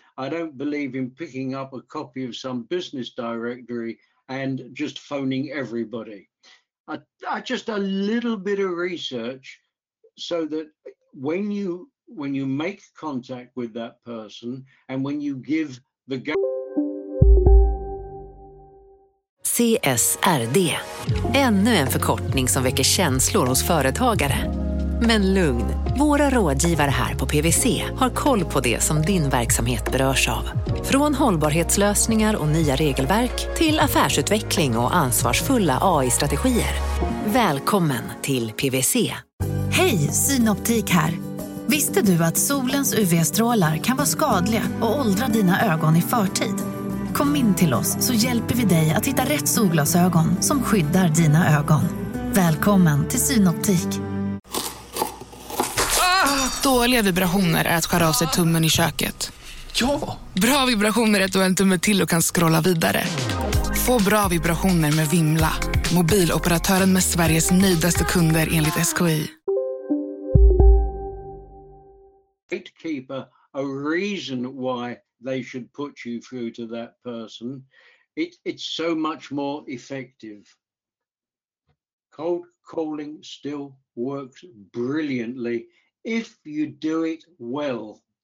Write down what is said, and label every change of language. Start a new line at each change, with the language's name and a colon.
English: I don't believe in picking up a copy of some business directory and just phoning everybody. I just a little bit of research so that when you make contact with that person and when you give the go.
Swedish: CSRD. Ännu en förkortning som väcker känslor hos företagare. Men lugn, våra rådgivare här på PwC har koll på det som din verksamhet berörs av. Från hållbarhetslösningar och nya regelverk till affärsutveckling och ansvarsfulla AI-strategier. Välkommen till PwC. Hej, Synoptik här. Visste du att solens UV-strålar kan vara skadliga och åldra dina ögon i förtid? Kom in till oss så hjälper vi dig att hitta rätt solglasögon som skyddar dina ögon. Välkommen till Synoptik. Dåliga vibrationer är att skära av sig tummen i köket. Ja! Bra vibrationer är att du har en tumme till och kan scrolla vidare. Få bra vibrationer med Vimla. Mobiloperatören med Sveriges nöjdaste kunder enligt SKI.
English: Gatekeeper, a reason why they should put you through to that person. It's so much more effective. Cold calling still works brilliantly if you do it well.